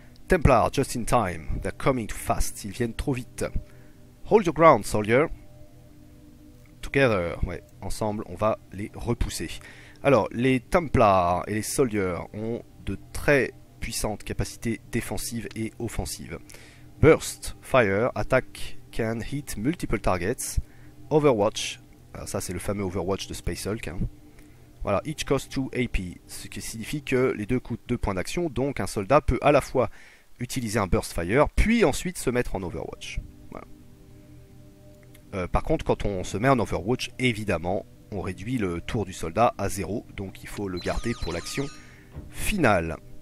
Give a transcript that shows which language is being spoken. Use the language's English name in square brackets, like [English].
[English] Templar, just in time. They're coming too fast. [French] Ils viennent trop vite. [English] Hold your ground, soldier. Together. [French] Ouais, ensemble, on va les repousser. Alors, les Templars et les soldiers ont de très puissantes capacités défensives et offensives. [English] Burst, fire, attack can hit multiple targets. [French] Overwatch, alors ça c'est le fameux Overwatch de Space Hulk. Hein. Voilà, [English] each cost 2 AP, [French] ce qui signifie que les deux coûtent 2 points d'action, donc un soldat peut à la fois utiliser un burst fire, puis ensuite se mettre en Overwatch. Voilà. Par contre, quand on se met en Overwatch, évidemment, on réduit le tour du soldat à 0, donc il faut le garder pour l'action finale.